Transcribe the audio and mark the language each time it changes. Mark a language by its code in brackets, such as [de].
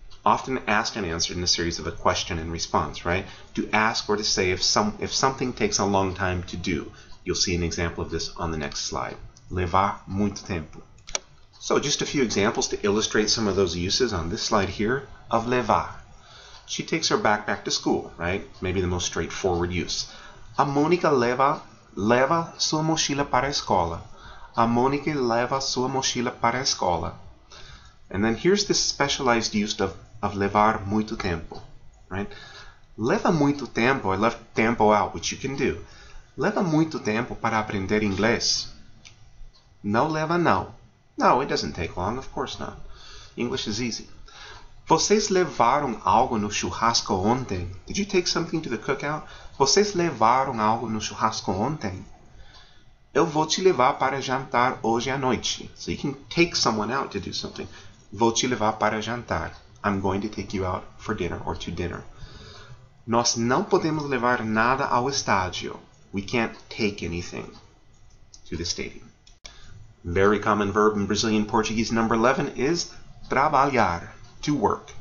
[en] Often asked and answered in a series of a question and response, right? To ask or to say if something takes a long time to do. You'll see an example of this on the next slide. [pt] Levar muito tempo. [en] So just a few examples to illustrate some of those uses on this slide here of levar. She takes her backpack to school, right? Maybe the most straightforward use. [pt] A Mônica leva sua mochila para a escola. A Mônica leva sua mochila para a escola. [en] And then here's this specialized use of levar muito tempo, right? [pt] Leva muito tempo, [en] I left tempo out, which you can do. [pt] Leva muito tempo para aprender inglês? Não leva não. [en] No, it doesn't take long, of course not. English is easy. [pt] Vocês levaram algo no churrasco ontem? [en] Did you take something to the cookout? [pt] Vocês levaram algo no churrasco ontem? Eu vou te levar para jantar hoje à noite. [en] So you can take someone out to do something. [pt] Vou te levar para jantar. [en] I'm going to take you out for dinner or to dinner. [pt] Nós não podemos levar nada ao estádio. [en] We can't take anything to the stadium. Very common verb in Brazilian Portuguese number 11 is trabalhar. To work.